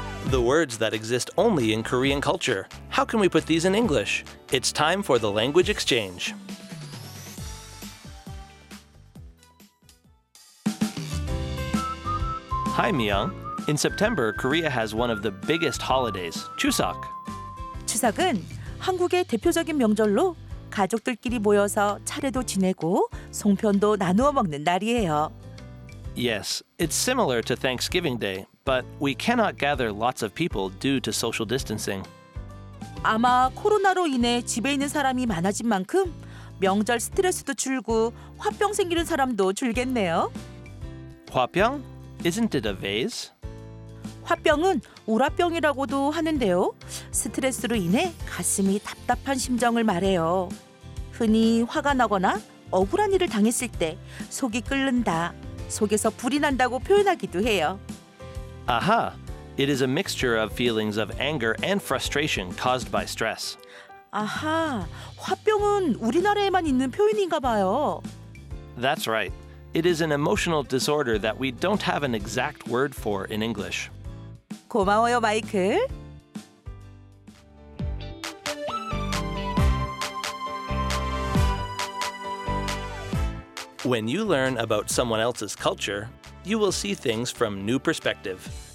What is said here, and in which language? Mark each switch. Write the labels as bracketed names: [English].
[English] The words that exist only in Korean culture. How can we put these in English? It's time for the language exchange. Hi, Myung. In September, Korea has one of the biggest holidays, Chuseok. [Korean] Chuseok은 한국의 대표적인 명절로 가족들끼리 모여서 차례도 지내고 송편도 나누어 먹는 날이에요. [English] Yes, it's similar to Thanksgiving Day, but we cannot gather lots of people due to social distancing. [Korean] 아마 코로나로 인해 집에 있는 사람이 많아진 만큼 명절 스트레스도 줄고 화병 생기는 사람도 줄겠네요. [English] 화병? Isn't it a vase? [Korean] 화병은 우라병이라고도 하는데요. 스트레스로 인해 가슴이 답답한 심정을 말해요. 흔히 화가 나거나 억울한 일을 당했을 때 속이 끓는다, 속에서 불이 난다고 표현하기도 해요. [English] Aha! It is a mixture of feelings of anger and frustration caused by stress. [Korean] 아하, 화병은 우리나라에만 있는 표현인가 봐요. [English] That's right. It is an emotional disorder that we don't have an exact word for in English. [Korean] 고마워요, 마이클. [English] When you learn about someone else's culture, you will see things from new perspective.